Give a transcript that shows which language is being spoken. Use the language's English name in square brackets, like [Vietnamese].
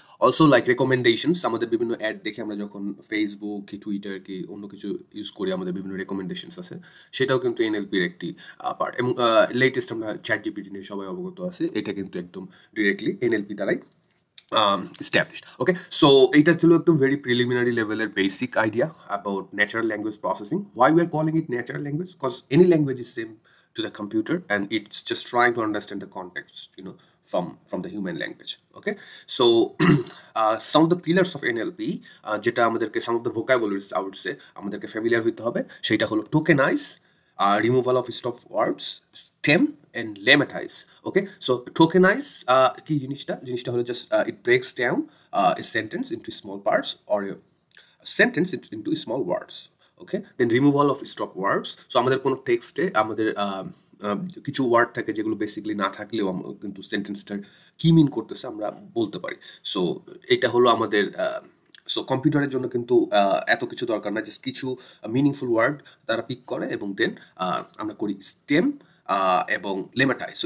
[Bangla] Also like recommendations, আমাদের বিভিন্ন add দেখে আমরা যখন ফেসবুক কি টুইটার কি অন্য কিছু ইউজ করি, আমাদের বিভিন্ন রেকমেন্ডেশনস আছে, সেটাও কিন্তু এনএলপির একটি পার্ট। এবং লেটেস্ট আমরা চ্যাট জিপিটি নিয়ে সবাই অবগত আছে, এটা কিন্তু একদম ডিরেক্টলি এনএলপি দ্বারাই এস্টাবলিশ। ওকে, সো এইটা ছিল একদম ভেরি প্রিলিমিনারি লেভেলের basic idea about natural language processing. [English] Why we are calling it natural language, because any language is same to the computer and it's just trying to understand the context, you know, from the human language. Okay, so some of the pillars of NLP, [Bangla] jeta amaderke [English] some of the vocabularies I would say amaderke familiar [Bangla] hoite hobe, seta holo [English] tokenize, removal of stop words, stem and lemmatize. Okay, so tokenize [Bangla] ki jinish ta holo [English] just it breaks down a sentence into small parts or a sentence into small words. [Bangla] Okay, then removal of stop words, so আমাদের কোনো টেক্সটে আমাদের কিছু word থাকে যেগুলো basically না থাকলেও কিন্তু সেন্টেন্সটার কী মিন করতেছে আমরা বলতে পারি। সো এটা হলো আমাদের, সো কম্পিউটারের জন্য কিন্তু এত কিছু দরকার না, জাস্ট কিছু মিনিংফুল ওয়ার্ড তারা পিক করে এবং দেন আমরা করি স্টেম এবং লেমাটাইজ।